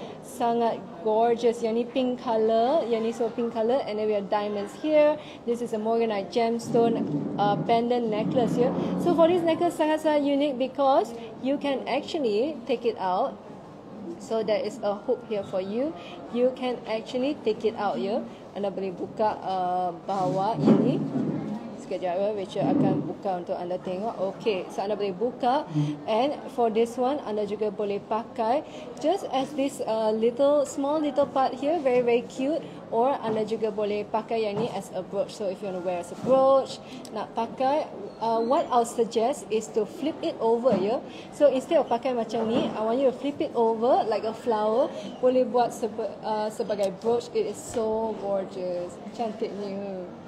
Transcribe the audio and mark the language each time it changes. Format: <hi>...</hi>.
<ms>Sangat</ms> <en>gorgeous.</en> <ms>Yang ni</ms> <en>pink color,</en> <ms>yang ni</ms> <en>so pink color, and then we have diamonds here. This is a morganite gemstone pendant necklace here. So for this necklace,</en> <ms>sangat-sangat</ms> <en>unique because you can actually take it out. So there is a hook here for you. You can actually take it out here.</en> <ms>Anda boleh buka bawah ini. Sekejap, Rachel akan buka untuk anda tengok. Okay, so anda boleh buka.</ms> <en>And for this one,</en> <ms>anda juga boleh pakai</ms> <en>just as this small little part here, very very cute.</en> <ms>Or anda juga boleh pakai yang ni</ms> <en>as a brooch. So if you want to wear as a brooch,</en> <ms>nak pakai,</ms> <en>what I'll suggest is to flip it over, ya. Yeah? So instead of</en> <ms>pakai macam ni,</ms> <en>I want you to flip it over like a flower.</en> <ms>Boleh buat sebagai brooch.</ms> <en>It is so gorgeous.</en> <ms>Cantiknya.</ms>